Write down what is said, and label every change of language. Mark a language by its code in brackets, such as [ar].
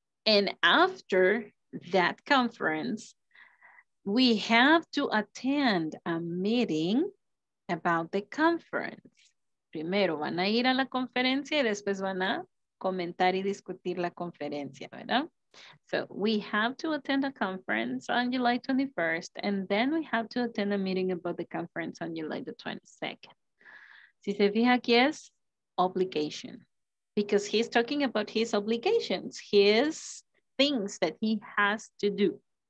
[en] And after that conference, we have to attend a meeting about the conference. [es] Primero van a ir a la conferencia y después van a comentar y discutir la conferencia, ¿verdad? [en] So we have to attend a conference on July 21st and then we have to attend a meeting about the conference on July the 22nd. [es] Si se fija aquí es [en] obligation, because he's talking about his obligations, his things that he has to do.